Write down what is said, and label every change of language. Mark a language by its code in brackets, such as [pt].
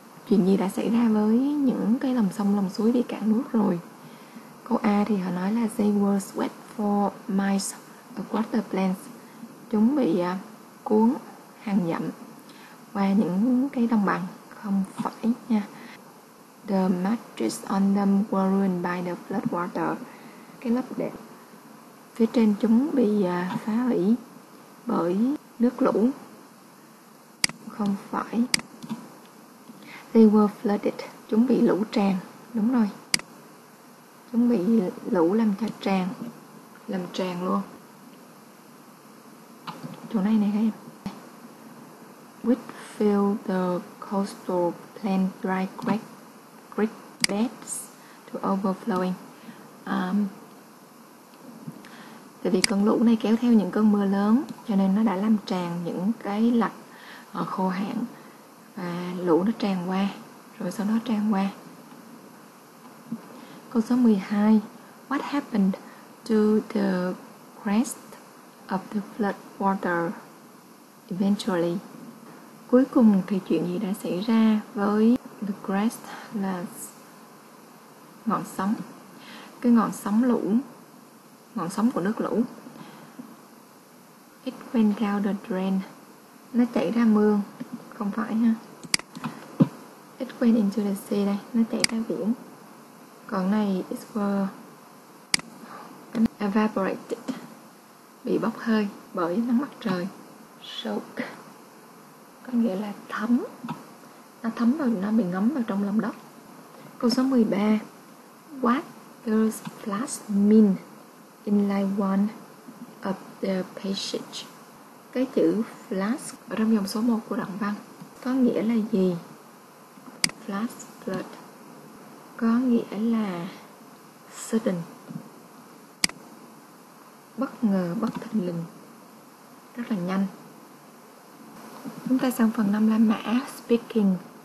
[vi] Chuyện gì đã xảy ra với những cái lòng sông, lòng suối bị cạn nước rồi? Câu A thì họ nói là [en] they were swept for miles across the plains. [vi] Chúng bị cuốn hàng dặm qua những cái đồng bằng. Không phải nha. [en] The mattress on them were ruined by the flood water. [vi] Cái lớp đệm phía trên chúng bị phá hủy bởi nước lũ. Không phải. [en] They were flooded. [vi] Chúng bị lũ tràn. Đúng rồi. Chúng bị lũ làm cho tràn. Làm tràn luôn. Chỗ này này các em. [en] With fill the coastal plain dry creek beds to overflowing. [vi] Tại vì cơn lũ này kéo theo những cơn mưa lớn, cho nên nó đã làm tràn những cái lạch khô hạn và lũ nó tràn qua, rồi sau đó tràn qua. Câu số 12. [en] What happened to the crest of the flood water eventually? [vi] Cuối cùng thì chuyện gì đã xảy ra với the crest là ngọn sóng. Cái ngọn sóng lũ, ngọn sóng của nước lũ. [en] It went down the drain. [vi] Nó chảy ra mương, không phải ha. [en] It went into the sea [vi] đây, nó chảy ra biển. Còn này, [en] it was evaporated. [vi] Bị bốc hơi bởi nắng mặt trời. Soak. Có nghĩa là thấm. Nó thấm vào, nó bị ngấm vào trong lòng đất. Câu số 13. [en] What does flash mean in line one of the passage? [vi] Cái chữ flash ở trong dòng số 1 của đoạn văn có nghĩa là gì? Flash, flood. Có nghĩa là sudden. Bất ngờ, bất thình lình. Rất là nhanh. Chúng ta sang phần 5 la mã. Speaking.